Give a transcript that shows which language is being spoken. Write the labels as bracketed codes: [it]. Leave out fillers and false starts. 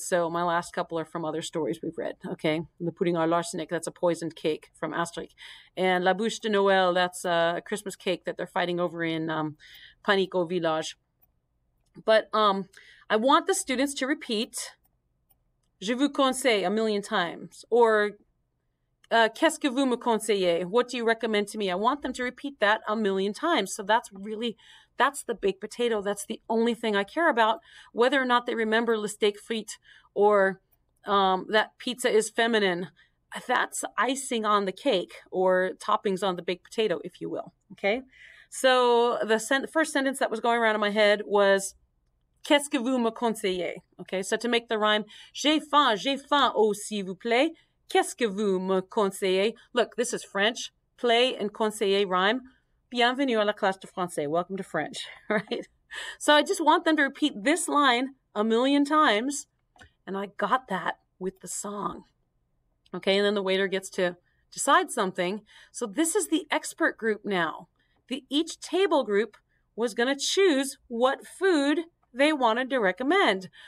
[en] So my last couple are from other stories we've read, okay? The Pudding à l'arsenic, that's a poisoned cake from Asterix. And La Bûche de Noël, that's a Christmas cake that they're fighting over in Panico Village. But I want the students to repeat [fr] Je vous conseille [en] a million times. [fr] Or, qu'est-ce que vous me conseillez? [en] What do you recommend to me? I want them to repeat that a million times. So that's the baked potato. That's the only thing I care about. Whether or not they remember le steak frites or that pizza is feminine, that's icing on the cake or toppings on the baked potato, if you will. Okay. So the first sentence that was going around in my head was, [fr] qu'est-ce que vous me conseillez? [en] Okay, so to make the rhyme, [fr] j'ai faim, oh, s'il vous plaît. Qu'est-ce que vous me conseillez? [en] Look, this is French. Play and conseiller rhyme. [fr] Bienvenue à la classe de français. [en] Welcome to French, right? So I just want them to repeat this line a million times, and I got that with the song. Okay, and then the waiter gets to decide something. So this is the expert group now. Each table group was going to choose what food they wanted to recommend.